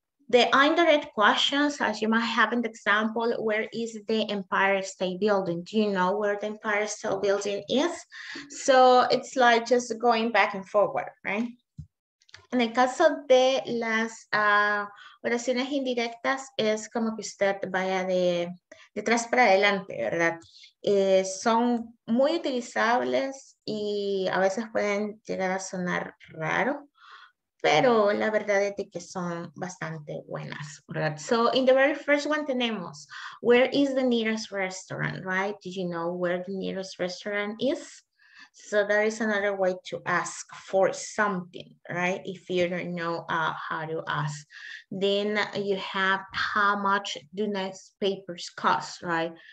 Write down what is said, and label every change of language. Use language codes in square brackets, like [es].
[en] The indirect questions, as you might have an example, where is the Empire State Building? Do you know where the Empire State Building is? So it's like just going back and forward, right? [es] En el caso de las oraciones indirectas, es como que usted vaya de atrás para adelante, ¿verdad? Son muy utilizables y a veces pueden llegar a sonar raro, pero la verdad es de que son bastante buenas, ¿verdad? [en] So, in the very first one [es] tenemos, [en] where is the nearest restaurant, right? Did you know where the nearest restaurant is? So there is another way to ask for something, right? If you don't know how to ask, then you have how much do newspapers cost, right?